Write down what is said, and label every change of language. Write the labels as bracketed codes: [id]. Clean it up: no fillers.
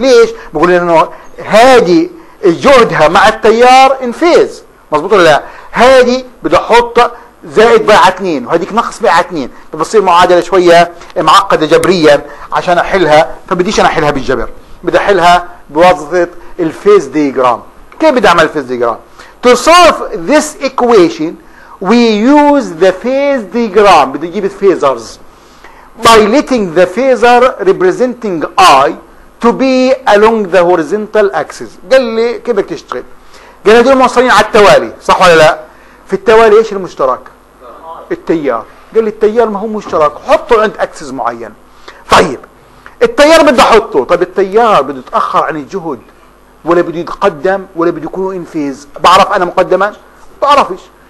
[ar] ليش؟ بيقول لي انه هذه جهدها مع التيار in phase، مضبوط ولا لا؟ هذه بدي احط زائد باعه 2 وهذيك نقص باعه 2، فبصير معادله شويه معقده جبريا عشان احلها، فبديش انا احلها بالجبر، بدي احلها بواسطه الفيز ديجرام. كيف بدي اعمل الفيز ديجرام؟ [en] To solve this equation we use the phase diagram. [ar] بدي اجيب الفيزرز. [en] By letting the phasor representing I to be along the horizontal axis. [ar] قال لي كيف بدك تشتغل؟ قال لي موصلين على التوالي، صح ولا لا؟ في التوالي ايش المشترك؟ التيار. قال لي التيار ما هو مشترك، حطه عند اكسس معين. طيب التيار بدي احطه، طيب التيار بده يتاخر عن الجهد ولا بده يتقدم ولا بده يكون انفيز؟ بعرف انا مقدما؟ بعرفش.